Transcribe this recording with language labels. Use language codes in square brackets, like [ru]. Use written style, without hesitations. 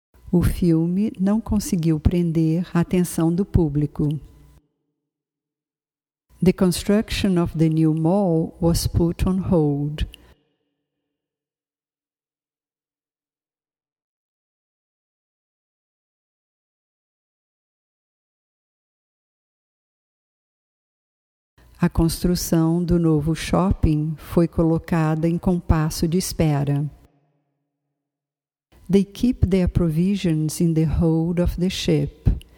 [pt] O filme não conseguiu prender a atenção do público. [en] The construction of the new mall was put on hold. [pt] A construção do novo shopping foi colocada em compasso de espera. [en] They keep their provisions in the hold of the ship.